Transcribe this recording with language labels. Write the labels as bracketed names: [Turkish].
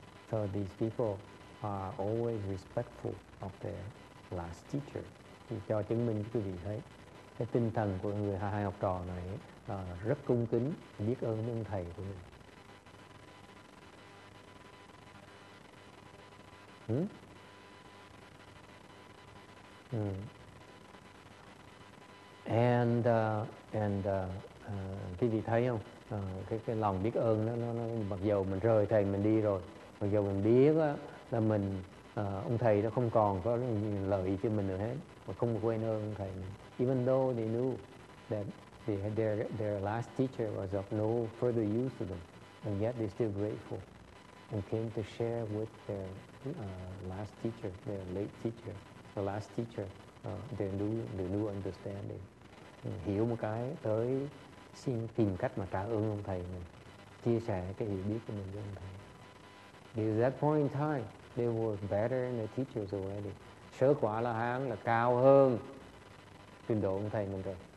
[English] So these people are always respectful of their last teacher. [Vietnamese] Thì cho chứng minh quý vị thấy cái tinh thần của người hai học trò này rất cung kính, biết ơn đến ông thầy của mình. Quý vị thấy không? Cái lòng biết ơn nó mặc dù mình rời thầy mình đi rồi, mặc dù mình biết là mình ông thầy nó không còn có lợi ích cho mình nữa hết, mà không quên ơn ông thầy. [English] Even though they knew that their last teacher was of no further use to them, and yet they still grateful and came to share with their last teacher, their late teacher, the last teacher, their new understanding. [Vietnamese] Hiểu một cái tới xin tìm cách mà trả ơn ông thầy mình, chia sẻ cái hiểu biết của mình với ông thầy. [English] At that point in time, they were better than the teachers already. [Vietnamese] Sơ quả la hán là cao hơn trình độ ông thầy mình rồi.